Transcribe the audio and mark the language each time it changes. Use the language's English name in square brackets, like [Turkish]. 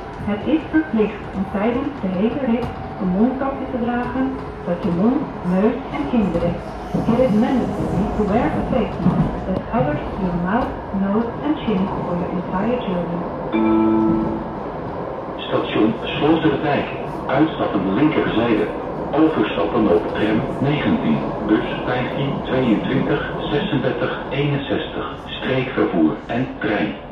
[Dutch] Het is verplicht om tijdens de hele rit een mondkapje te dragen dat je mond, neus en kin bedekt. [English] It is mandatory to wear a face mask that covers your mouth, nose and chin for your entire journey. [Dutch] Station Sloterdijk. Uitstappen linkerzijde. Overstappen op tram 19, bus 15, 22, 36, 61. Streekvervoer en trein.